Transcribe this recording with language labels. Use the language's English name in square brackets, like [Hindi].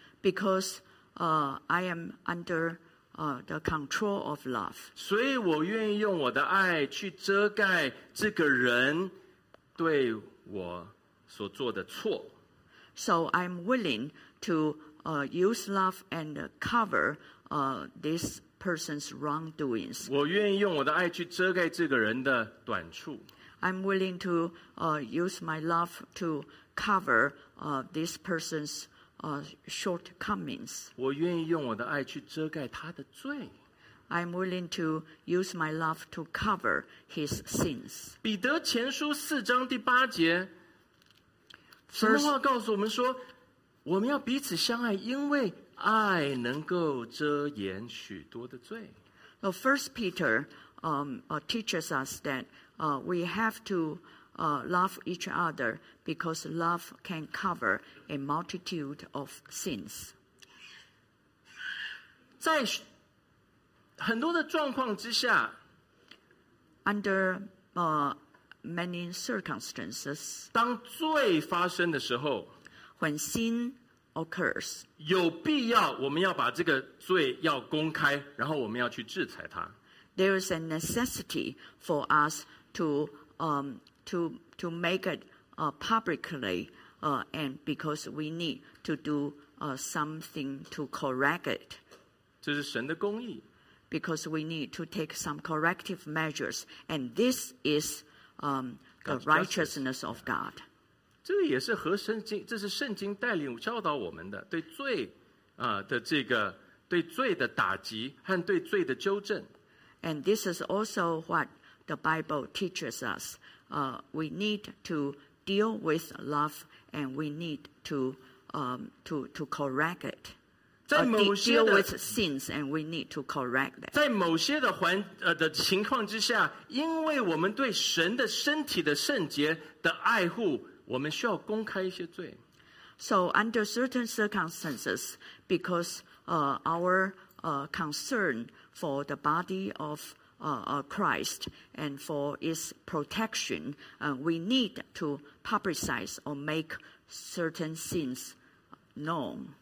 [English] Because I am under the control of love. [Chinese] 所以我愿意用我的爱去遮盖这个人对我所做的错。 [English] So I'm willing to use love and cover this person's wrongdoings. [Chinese] 我愿意用我的爱去遮盖这个人的短处。 [English] I'm willing to use my love to cover this person'sshortcomings. [Chinese] 我愿意用我的爱去遮盖他的罪。 [English] I'm willing to use my love to cover his sins. [Chinese] 彼得前书四章第八节，什么话告诉我们说，我们要彼此相爱，因为爱能够遮掩许多的罪。 [English] First Peter teaches us that we have to love each other. Because love can cover a multitude of sins. [Chinese] 在很多的状况之下 [English] Under many circumstances, [Chinese] 当罪发生的时候 [English] When sin occurs, [Chinese] 有必要我们要把这个罪要公开，然后我们要去制裁它。 [English] There is a necessity for us to make itpublicly, and because we need to do something to correct it. [Chinese] 这是神的公义。 [English] Because we need to take some corrective measures, and this is the righteousness of God. [Chinese] 这个也是和圣经，这是圣经带领教导我们的对罪的这个对罪的打击和对罪的纠正。 [English] And this is also what the Bible teaches us. We need to. Deal with love, and we need to correct it. Deal with sins, and we need to correct that. [Chinese] 在某些的环的情况之下，因为我们对神的身体的圣洁的爱护，我们需要公开一些罪。 [English] So under certain circumstances, because our concern for the body of Christ and for His protection, we need to publicize or make certain sins known.